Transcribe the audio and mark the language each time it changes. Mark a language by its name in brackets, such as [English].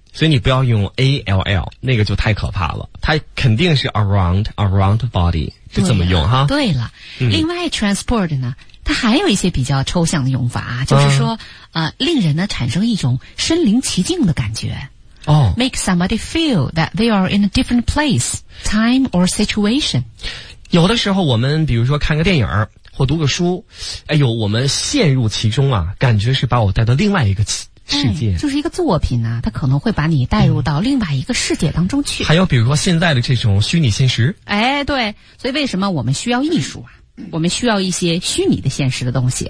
[Chinese] 所以你不要用 ALL， 那个就太可怕了。它肯定是 [English] around body， [Chinese] 是怎么用哈？对了、嗯，另外 transport 呢，它还有一些比较抽象的用法啊，就是说，令人呢产生一种身临其境的感觉。哦 [English] ，make somebody feel that they are in a different place, time or situation。 [Chinese] 有的时候我们比如说看个电影或读个书，哎呦，我们陷入其中啊，感觉是把我带到另外一个。世界、哎、就是一个作品呢、啊，它可能会把你带入到另外一个世界当中去。还有比如说现在的这种虚拟现实，哎，对，所以为什么我们需要艺术啊？我们需要一些虚拟的现实的东西。